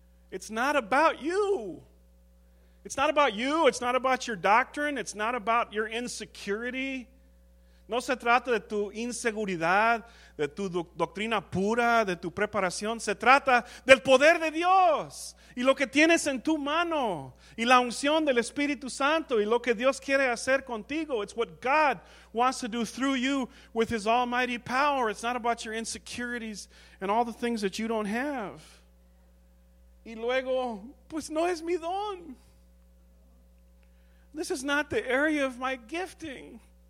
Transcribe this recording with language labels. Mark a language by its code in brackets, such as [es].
[en] It's not about you. It's not about you, it's not about your doctrine, it's not about your insecurity. [es] No se trata de tu inseguridad, de tu doctrina pura, de tu preparación. Se trata del poder de Dios y lo que tienes en tu mano y la unción del Espíritu Santo y lo que Dios quiere hacer contigo. [en] It's what God wants to do through you with his almighty power. It's not about your insecurities and all the things that you don't have. [es] Y luego, pues no es mi don. [en] This is not the area of my gifting.